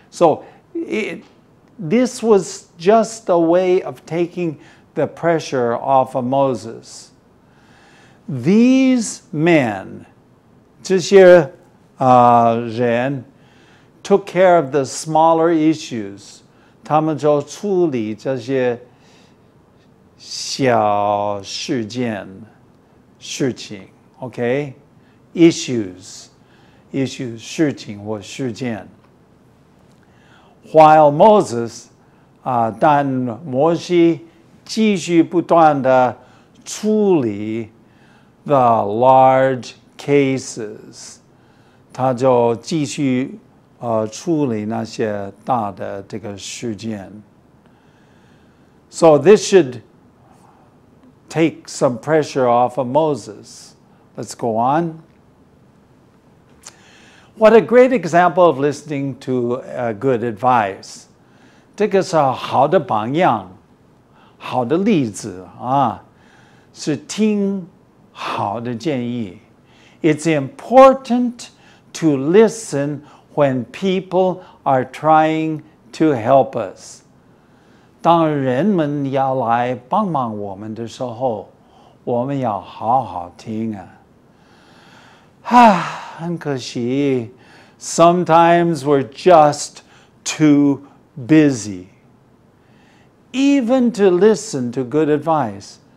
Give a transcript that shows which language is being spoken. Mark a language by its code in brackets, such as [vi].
[en] So this was just a way of taking the pressure off of Moses. These men, [zh] 这些人, [en] took care of the smaller issues. [zh] 他们就处理这些小事件, 事情, [en] okay? Issues, [zh] 事情或事件。 [en] While Moses, [zh] 但摩西继续不断地处理 [en] the large cases, [zh] 他就继续处理那些大的这个事件。 [en] So this should take some pressure off of Moses. Let's go on. What a great example of listening to good advice. [zh] 这个是好的榜样，好的例子啊，是听好的建议。 [en] It's important to listen when people are trying to help us. [zh] 当人们要来帮忙我们的时候，我们要好好听啊。 [en] 啊， [zh] 很可惜 [en] ，sometimes we're just too busy even to listen to good advice.